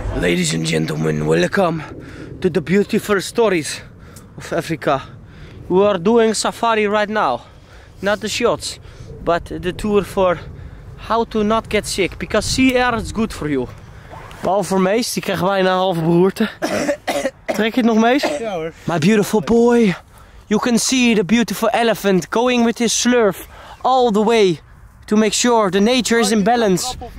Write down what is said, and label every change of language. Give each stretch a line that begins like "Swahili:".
English: Ladies and gentlemen, welcome to the beautiful stories of Africa. We are doing safari right now. Not the shots, but the tour for how to not get sick. Because sea air is good for you.
Dutch: Behalve Mees, die krijgt bijna een halve beroerte. Trek je het nog, Mees? Ja hoor.
English: My beautiful boy. You can see the beautiful elephant going with his slurf all the way to make sure the nature is in balance.